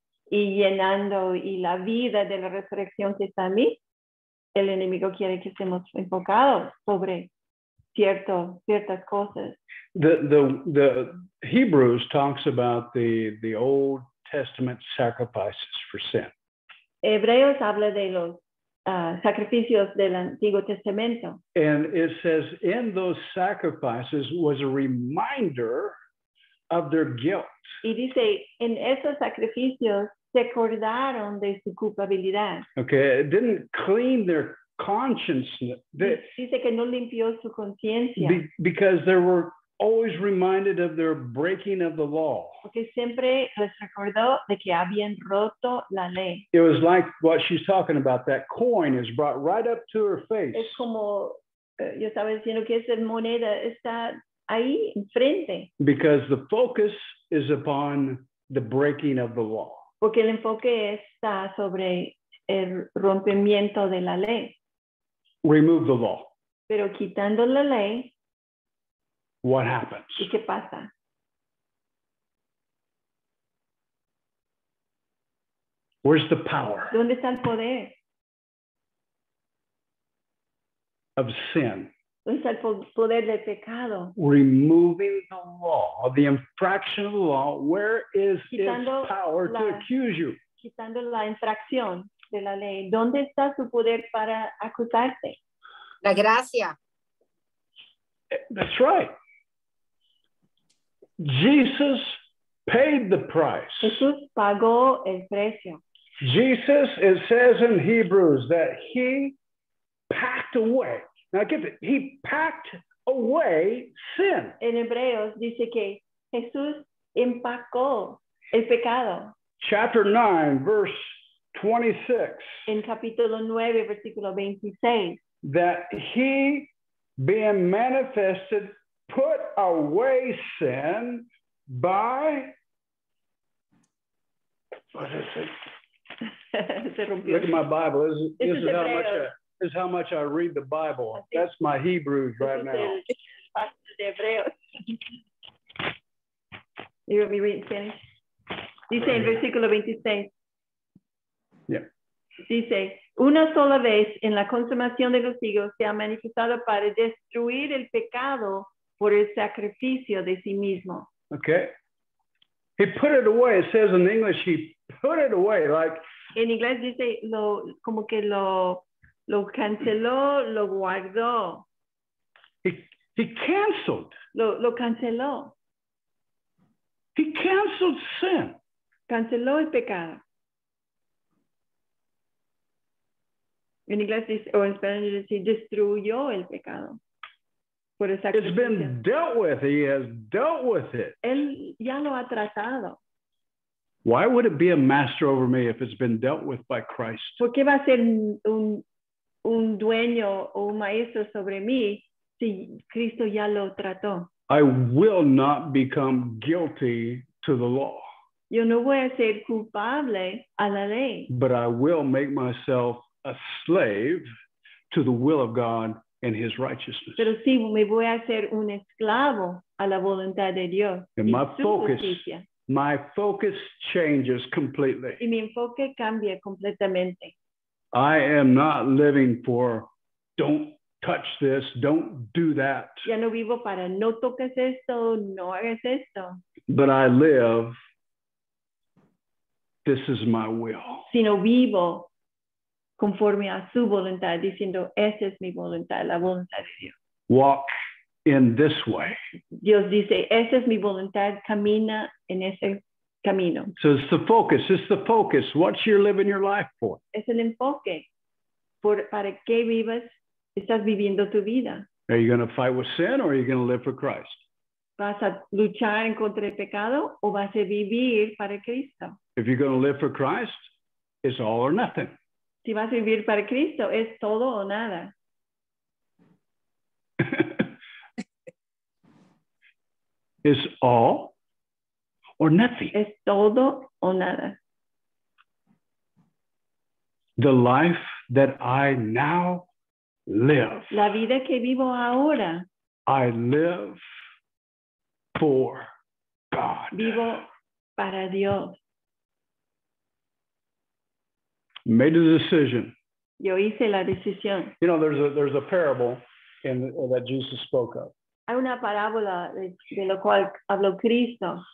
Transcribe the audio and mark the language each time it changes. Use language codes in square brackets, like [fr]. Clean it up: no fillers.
[es] y llenando y la vida de la resurrección que está en mí, el enemigo quiere que estemos enfocados sobre ciertas cosas. [en] The Hebrews talks about the Old Testament sacrifices for sin. [es] Hebreos habla de los sacrificios del Antiguo Testamento. [en] And it says in those sacrifices was a reminder of their guilt. [es] Y dice en esos sacrificios se acordaron de su culpabilidad. [en] Okay, it didn't clean their conscience. [es] Dice que no limpió su conciencia. [en] Because they were always reminded of their breaking of the law. [es] Porque siempre les recordó de que habían roto la ley. [en] It was like what she's talking about. That coin is brought right up to her face. [es] Es como yo estaba diciendo que esa moneda está ahí enfrente. [en] Because the focus is upon the breaking of the law. [es] Porque el enfoque está sobre el rompimiento de la ley. [en] Remove the law. [es] Pero quitando la ley, [en] what happens? [es] ¿Y qué pasa? [en] Where's the power? [es] ¿Dónde está el poder? [en] Of sin. [es] ¿Dónde está el poder del pecado? [en] Removing the law, the infraction of the law, where is quitando its power to accuse you? [es] Quitando la infracción de la ley, ¿dónde está su poder para acusarte? La gracia. [en] That's right. Jesus paid the price. [es] Jesús pagó el precio. [en] Jesus, it says in Hebrews that he packed away. Now get it, he packed away sin. [es] En Hebreos dice que Jesús empacó el pecado. [en] Chapter 9, verse 26. [es] En capítulo 9, versículo 26. [en] That he being manifested put away sin by what is it? Look at my Bible. This is how much I read the Bible. That's my Hebrews right now. You want me to read in Spanish? [es] Dice en versículo 26. [en] Yeah. [es] Dice, una sola vez en la consumación de los siglos se ha manifestado para destruir el pecado por el sacrificio de sí mismo. [en] Okay. He put it away. It says in English, he put it away. Like [es] en inglés dice, como que lo canceló, lo guardó. [en] He canceled. [es] Lo canceló. [en] He canceled sin. [es] Canceló el pecado. En inglés dice, o en español dice, destruyó el pecado. [en] It's been dealt with. He has dealt with it. [es] Él ya lo ha tratado. [en] Why would it be a master over me if it's been dealt with by Christ? [es] ¿Por qué va a ser un dueño o un maestro sobre mí si Cristo ya lo trató? [en] I will not become guilty to the law. [es] Yo no voy a ser culpable a la ley. [en] But I will make myself a slave to the will of God and his righteousness. [es] Pero sí, me voy a hacer un esclavo a la voluntad de Dios. [en] And my focus changes completely. [es] Y mi enfoque cambia completamente. [en] I am not living for don't touch this, don't do that. [es] Ya no vivo para no toques esto, no hagas esto. [en] But I live, this is my will. [es] Sino vivo conforme a su voluntad, diciendo, esa es mi voluntad, la voluntad de Dios. [en] Walk in this way. [es] Dios dice, esa es mi voluntad, camina en ese camino. [en] So it's the focus. What you're living your life for. [es] Es el enfoque. ¿Para qué vivas? Estás viviendo tu vida. [en] Are you going to fight with sin or are you going to live for Christ? [es] ¿Vas a luchar en contra el pecado o vas a vivir para Cristo? [en] If you're going to live for Christ, it's all or nothing. [es] Si vas a vivir para Cristo, es todo o nada. [en] It's all or nothing. [es] Es todo o nada. [en] The life that I now live. [es] La vida que vivo ahora. [en] I live for God. [es] Vivo para Dios. [en] Made a decision. [es] Yo hice la decisión. [en] You know, there's a parable in that Jesus spoke of. [es] Hay una parábola de lo cual habló Cristo.